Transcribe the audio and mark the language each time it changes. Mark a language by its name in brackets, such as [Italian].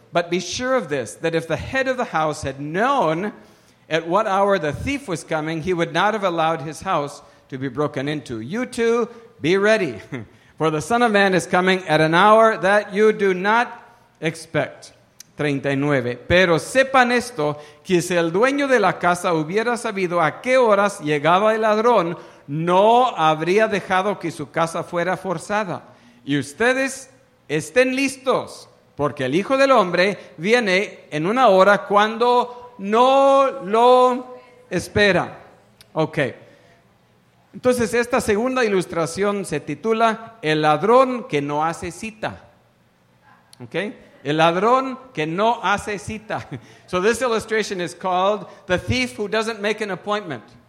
[English] But be sure of this, that if the head of the house had known at what hour the thief was coming, he would not have allowed his house to be broken into. You too, be ready, for the Son of Man is coming at an hour that you do not expect. 39. [Spanish] Pero sepan esto, que si el dueño de la casa hubiera sabido a qué horas llegaba el ladrón, no habría dejado que su casa fuera forzada. Y ustedes estén listos, porque el Hijo del Hombre viene en una hora cuando no lo espera. Ok. Entonces, esta segunda ilustración se titula El ladrón que no hace cita. Ok. El ladrón que no hace cita. [English] So this illustration is called The Thief Who Doesn't Make an Appointment.